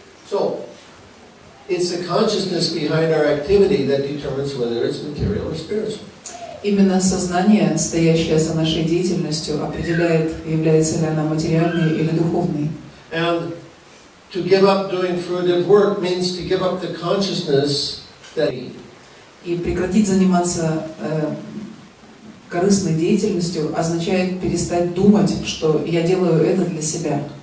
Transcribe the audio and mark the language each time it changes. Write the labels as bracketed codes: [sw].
[en] So, it's the consciousness behind our activity that determines whether it's material or spiritual. [ru] Именно сознание, стоящее за нашей деятельностью, определяет, является ли она материальной или духовной. [en] And to give up doing fruitive work means to give up the consciousness. [ru] И прекратить заниматься корыстной деятельностью означает перестать думать, что я делаю это для себя.